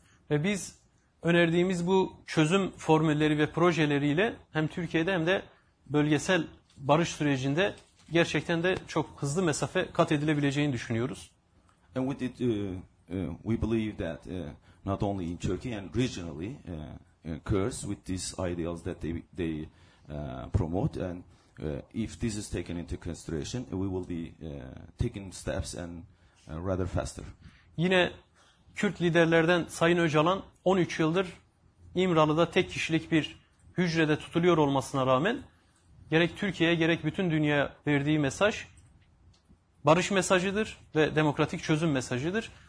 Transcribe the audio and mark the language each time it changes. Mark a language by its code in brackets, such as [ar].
[tr] Ve biz önerdiğimiz bu çözüm formülleri ve projeleriyle hem Türkiye'de hem de bölgesel barış sürecinde gerçekten de çok hızlı mesafe kat edilebileceğini düşünüyoruz. [en] And with it, we believe that not only in Turkey and regionally, Kurds with these ideals that they promote, and if this is taken into consideration, we will be taking steps and rather faster. [tr] Yine Kürt liderlerden Sayın Öcalan 13 yıldır İmralı'da tek kişilik bir hücrede tutuluyor olmasına rağmen gerek Türkiye'ye gerek bütün dünyaya verdiği mesaj barış mesajıdır ve demokratik çözüm mesajıdır.